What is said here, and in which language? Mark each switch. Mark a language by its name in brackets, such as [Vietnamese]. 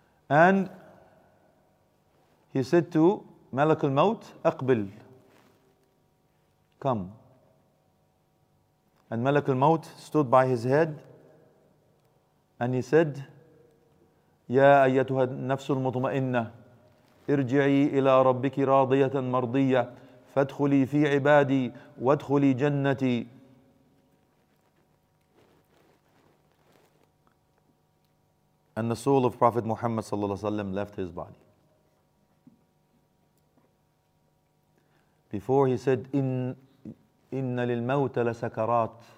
[English] And he said to Malak al-Maut, Aqbil. Come. And Malak al-Maut stood by his head and he said, [Arabic] Ya ayyatuha nafsul mutma'inna. ارجعي إلى ربك راضية مرضية فادخلي في عبادي وادخلي جنتي. [English] And the soul of Prophet Muhammad صلى الله عليه وسلم left his body. Before he said, [Arabic] إن للموت لسكرات.